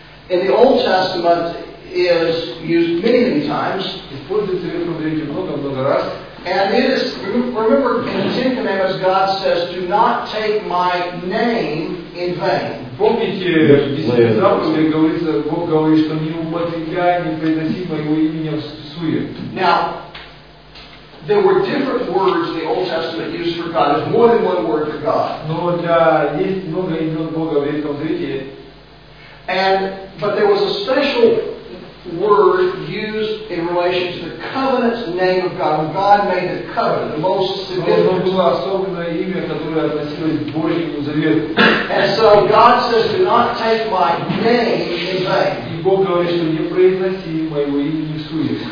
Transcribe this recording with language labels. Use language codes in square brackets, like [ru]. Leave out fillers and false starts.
[en] In the Old Testament is used many times. [ru] Используется в Ветхом Завете много раз. [en] And it is, remember, in the Ten Commandments, God says, do not take my name in vain. [ru] Помните, в заповеди говорится, Бог говорит, что не употребляй, не приноси моего имени в суе. [en] Now, there were different words the Old Testament used for God. There's more than one word for God. [ru] Но для есть много имен Бога в Ветхом Завете. [en] And but there was a special word used in relation to the covenant name of God. When God made the covenant, the most significant. [ru] Было особенное имя, которое относилось к Божьему Завету. [en] And so God says, "Do not take my name in vain." [ru] И Бог говорит, что не произноси моего имени в суе.